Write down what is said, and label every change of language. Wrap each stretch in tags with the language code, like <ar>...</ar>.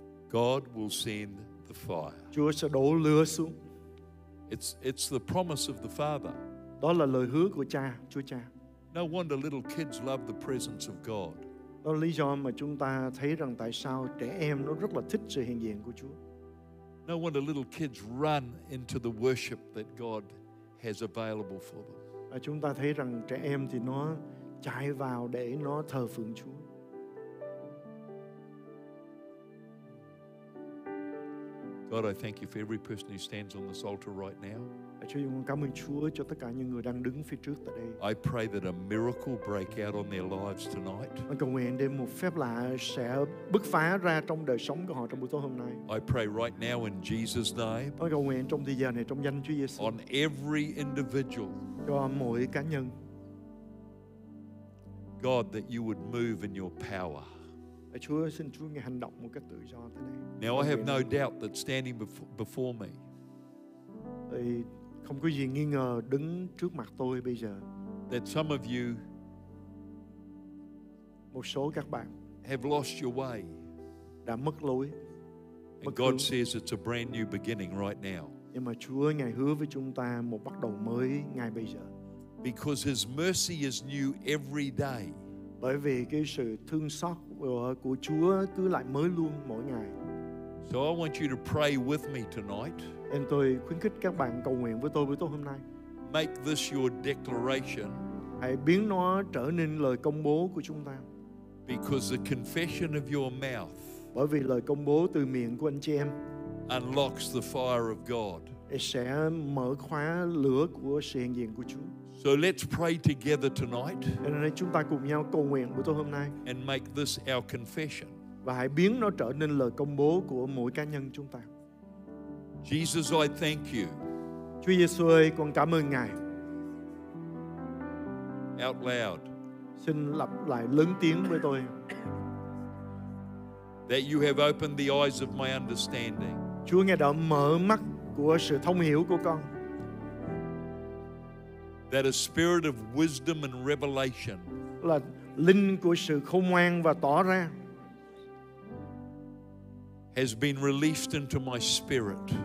<en>God will send the fire.</en> <vi>Chúa sẽ đổ lửa xuống.</vi> <en>It's the promise of the Father.</en> <vi>Đó là lời hứa của Cha, Chúa Cha.</vi> <en>No wonder little kids love the presence of God.</en> <vi>Đó là lý do mà chúng ta thấy rằng tại sao trẻ em nó rất là thích sự hiện diện của Chúa.</vi> <en>No wonder little kids run into the worship that God has available for them.</en> <vi>Và chúng ta thấy rằng trẻ em thì nó chạy vào để nó thờ phượng Chúa.</vi> <en>God God, I thank you for every person who stands on this altar right now.</en> <vi>Cảm ơn Chúa cho tất cả những người đang đứng phía trước tại đây.</vi> <en>I pray that a miracle break out on their lives tonight.</en> <vi>Tôi cầu nguyện để một phép lạ sẽ bứt phá ra trong đời sống của họ trong buổi tối hôm nay.</vi> <en>I pray right now in Jesus' name.</en> <vi>Tôi cầu nguyện trong thời gian này trong danh Chúa Giêsu.</vi> <en>On every individual.</en> <vi>Cho mỗi cá nhân.</vi> <en>God, that you would move in your power.</en> <vi>Chúa, xin Chúa ngài hành động một cách tự do tại đây.</vi> <en>Now I have no doubt that standing before me.</en> <vi>Thì không có gì nghi ngờ đứng trước mặt tôi bây giờ.</vi> <en>That some of you,</en> <vi>một số các bạn,</vi> <en>have lost your way.</en> <vi>Đã mất lối.</vi> <en>And God says it's a brand new beginning right now.</en> <vi>Nhưng mà Chúa ngài hứa với chúng ta một bắt đầu mới ngay bây giờ.</vi> <en>Because His mercy is new every day.</en> <vi>Bởi vì cái sự thương xót của Chúa cứ lại mới luôn mỗi ngày.</vi> <en>So I want you to pray with me tonight.</en> <vi>Nên tôi khuyến khích các bạn cầu nguyện với tôi buổi tối hôm nay.</vi> <en>Make this your declaration.</en> <vi>Hãy biến nó trở nên lời công bố của chúng ta.</vi> <en>Because the confession of your mouth.</en> <vi>Bởi vì lời công bố từ miệng của anh chị em.</vi> <en>Unlocks the fire of God.</en> <vi>Sẽ mở khóa lửa của sự hiện diện của Chúa.</vi> <en>So let's pray together tonight.</en> <vi>Nên chúng ta cùng nhau cầu nguyện buổi tối hôm nay.</vi> <en>And make this our confession.</en> <vi>Và hãy biến nó trở nên lời công bố của mỗi cá nhân chúng ta.</vi> <en>Jesus, I thank you.</en> <vi>Chúa Giêsu ơi, con cảm ơn ngài.</vi> <en>Out loud.</en> <vi>Xin lặp lại lớn tiếng với tôi.</vi> <en>That you have opened the eyes of my understanding.</en> <vi>Chúa ngài đã mở mắt của sự thông hiểu của con.</vi> <en>That a spirit of wisdom and revelation.</en> <vi>Là linh của sự khôn ngoan và tỏ ra.</vi> <en>Has been released into my spirit.</en>